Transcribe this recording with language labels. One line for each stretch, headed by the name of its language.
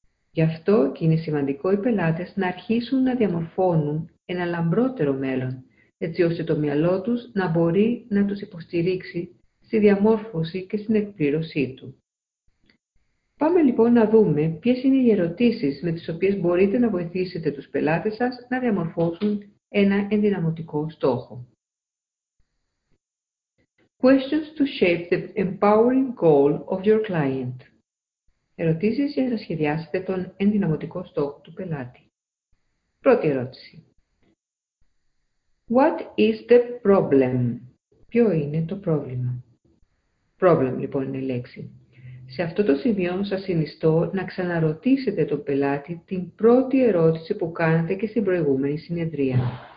Greek: Γι' αυτό και είναι σημαντικό οι πελάτες να αρχίσουν να διαμορφώνουν ένα λαμπρότερο μέλλον, έτσι ώστε το μυαλό τους να μπορεί να τους υποστηρίξει στη διαμόρφωση και στην εκπλήρωσή του. Πάμε λοιπόν να δούμε ποιες είναι οι ερωτήσεις με τις οποίες μπορείτε να βοηθήσετε τους πελάτες σας να διαμορφώσουν ένα ενδυναμωτικό στόχο.
English: Questions to shape the empowering goal of your client.
Greek: Ερωτήσεις για να σχεδιάσετε τον ενδυναμωτικό στόχο του πελάτη. Πρώτη ερώτηση.
English: What is the problem?
Greek: Ποιο είναι το πρόβλημα? Problem, λοιπόν, είναι η λέξη. Σε αυτό το σημείο σας συνιστώ να ξαναρωτήσετε τον πελάτη την πρώτη ερώτηση που κάνατε και στην προηγούμενη συνεδρία.